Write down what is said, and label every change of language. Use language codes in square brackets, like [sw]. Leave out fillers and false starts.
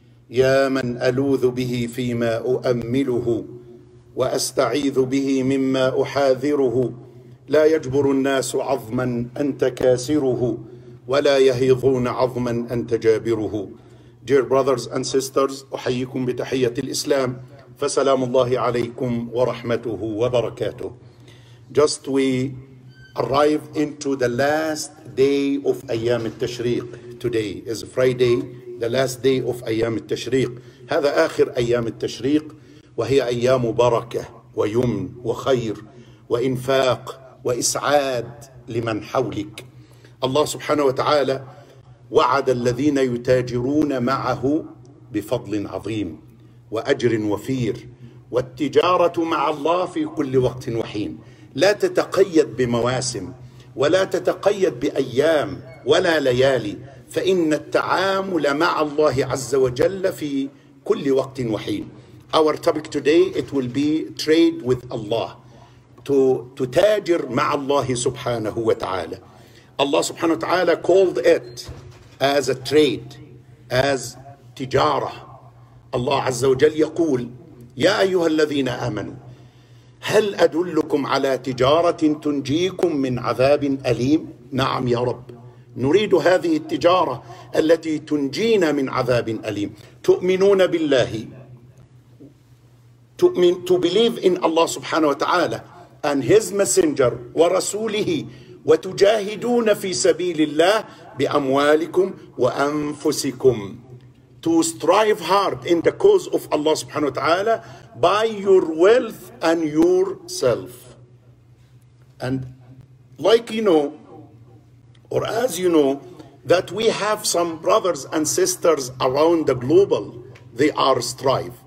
[ar] يا من ألوذ به فيما أؤمله وأستعيذ به مما أحاذره لا يجبر الناس عظما أنت كاسره ولا يهيضون عظما أنت جابره. [en] Dear brothers and sisters, [ar] أحييكم بتحية الإسلام فسلام الله عليكم ورحمته وبركاته. [en] Just we arrived into the last day of [ar] أيام التشريق. [en] Today is Friday, the last day of [ar] أيام التشريق. هذا آخر أيام التشريق وهي أيام بركة ويمن وخير وإنفاق وإسعاد لمن حولك. الله سبحانه وتعالى وعد الذين يتاجرون معه بفضل عظيم وأجر وفير. والتجارة مع الله في كل وقت وحين، لا تتقيد بمواسم ولا تتقيد بأيام ولا ليالي، فإن التعامل مع الله عز وجل في كل وقت وحين. [en] Our topic today, it will be trade with Allah. To [ar] تاجر مع الله سبحانه وتعالى. [en] Allah [ar] سبحانه وتعالى [en] called it as a trade, as تجارة. [ar] Allah عز وجل يقول يا أيها الذين آمنوا هل أدلكم على تجارة تنجيكم من عذاب أليم؟ نعم يا رب، نريد هذه التجارة التي تنجينا من عذاب أليم. تؤمنون بالله، تؤمن، [en] to believe in Allah [ar] سبحانه وتعالى [en] and his messenger [ar] ورسوله، وتجاهدون في سبيل الله بأموالكم وأنفسكم. [en] To strive hard in the cause of Allah [ar] سبحانه وتعالى [en] by your wealth and yourself. And like you know, or as you know, that we have some brothers and sisters around the global, they are strive.